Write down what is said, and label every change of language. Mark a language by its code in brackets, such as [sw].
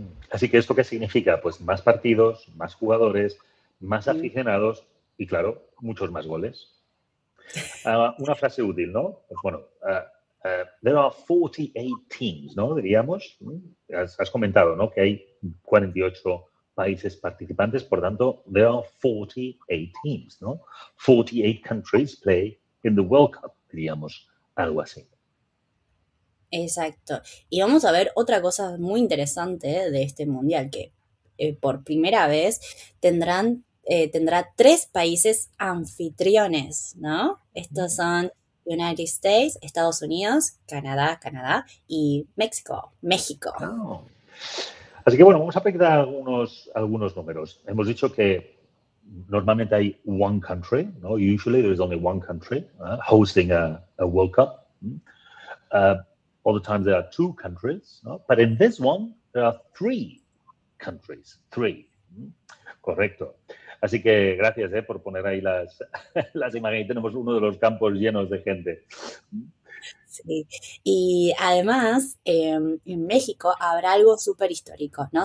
[es] Así que, ¿esto qué significa? Pues más partidos, más jugadores, más aficionados y, claro, muchos más goles. Una frase útil, ¿no? Pues bueno, [en] there are 48 teams, [es] ¿no? Diríamos. Has comentado, ¿no? Que hay 48 países participantes, por tanto, [en] there are 48 teams, [es] ¿no? [en] 48 countries play in the World Cup. [es] Diríamos algo así. Exacto. Y vamos a ver otra cosa muy interesante de este Mundial, que por primera vez tendrá tres países anfitriones, ¿no? Estos son United States, Estados Unidos, Canadá y México. Oh. Así que, bueno, vamos a pegar algunos números. Hemos dicho que normalmente hay [en] one country, [es] ¿no? [en] Usually there is only one country hosting a World Cup. All the time there are two countries, ¿no? But in this one, there are three countries. [es] Three. Correcto. Así que gracias por poner ahí las imágenes. Tenemos uno de los campos llenos de gente. Sí. Y además, en México habrá algo súper histórico, ¿no?